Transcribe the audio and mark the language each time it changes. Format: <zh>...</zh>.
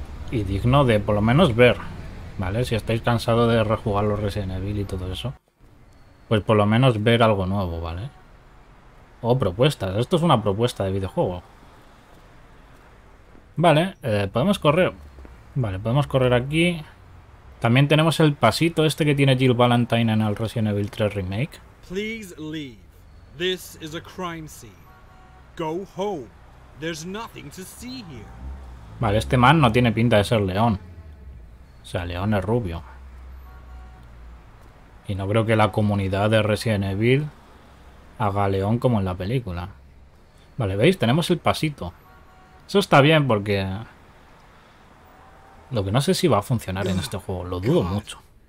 <es>Y digno de por lo menos ver, ¿vale? Si estáis cansados de rejugar los Resident Evil y todo eso, pues por lo menos ver algo nuevo, ¿vale? O propuestas. Esto es una propuesta de videojuego. Vale, podemos correr. Vale, podemos correr aquí. También tenemos el pasito este que tiene Jill Valentine en el Resident Evil 3 Remake.</es> <en>Please leave. This is a crime scene. Go home. There's nothing to see here.</en> <es>Vale, este man no tiene pinta de ser León. O sea, León es rubio. Y no creo que la comunidad de Resident Evil haga a León como en la película. Vale, ¿veis? Tenemos el pasito. Eso está bien porque lo que no sé si va a funcionar en este juego, lo dudo mucho.</es>